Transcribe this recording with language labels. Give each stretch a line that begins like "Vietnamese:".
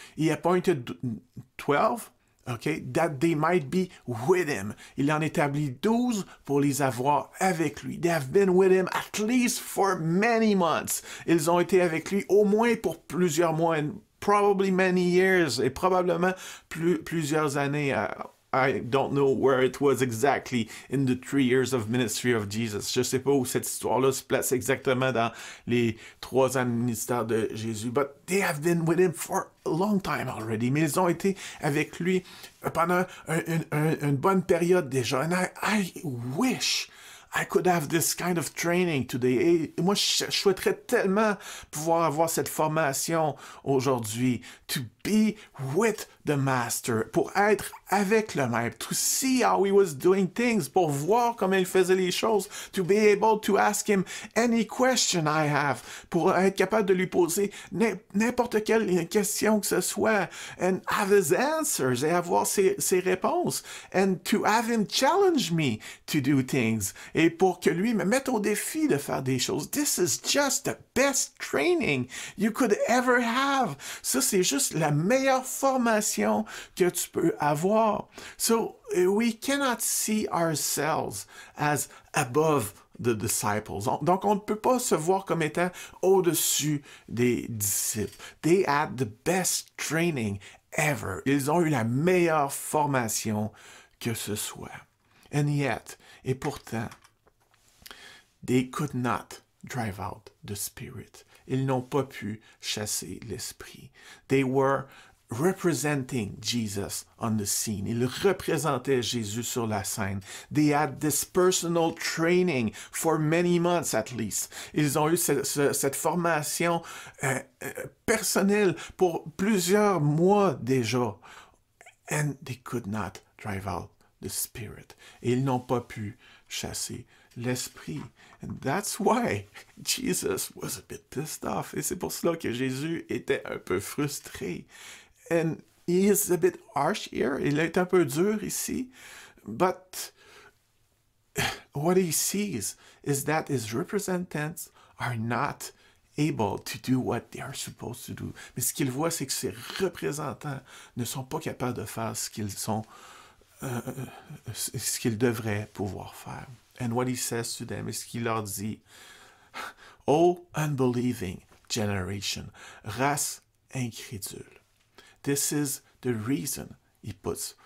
English: He appointed 12, okay, that they might be with him.
French: Il en établit 12 pour les avoir avec lui.
English: They have been with him at least for many months.
French: Ils ont été avec lui au moins pour plusieurs mois,
English: and probably many years,
French: et probablement plusieurs années.
English: I don't know where it was exactly in the 3 years of ministry of Jesus.
French: Je sais pas où cette histoire-là se place exactement dans les 3 ans de ministère de Jésus.
English: But they have been with him for a long time already.
French: Mais ils ont été avec lui pendant une bonne période déjà.
English: And I wish I could have this kind of training today.
French: Et moi, je souhaiterais tellement pouvoir avoir cette formation aujourd'hui.
English: To be with the master.
French: Pour être avec le maître.
English: To see how he was doing things.
French: Pour voir comment il faisait les choses.
English: To be able to ask him any question I have.
French: Pour être capable de lui poser n'importe quelle question que ce soit.
English: And have his answers.
French: Et avoir ses réponses.
English: And to have him challenge me to do things.
French: Et pour que lui me mette au défi de faire des choses.
English: This is just the best training you could ever have.
French: Ça, c'est juste la meilleure formation que tu peux avoir.
English: So, we cannot see ourselves as above the disciples.
French: Donc, on ne peut pas se voir comme étant au-dessus des disciples.
English: They had the best training ever.
French: Ils ont eu la meilleure formation que ce soit.
English: And yet,
French: et pourtant,
English: they could not drive out the spirit.
French: Ils n'ont pas pu chasser l'esprit.
English: They were representing Jesus on the scene.
French: Ils représentaient Jésus sur la scène.
English: They had this personal training for many months at least.
French: Ils ont eu cette formation personnelle pour plusieurs mois déjà.
English: And they could not drive out the spirit.
French: Et ils n'ont pas pu chasser l'esprit.
English: And that's why Jesus was a bit pissed off.
French: Et c'est pour cela que Jésus était un peu frustré.
English: And he is a bit harsh here.
French: Il est un peu dur ici.
English: But what he sees is that his representatives are not able to do what they are supposed to do.
French: Mais ce qu'il voit, c'est que ses représentants ne sont pas capables de faire ce qu'ils devraient pouvoir faire.
English: And what he says to them is
French: qu'il leur dit,
English: O unbelieving generation,
French: race incrédule.
English: This is the reason he puts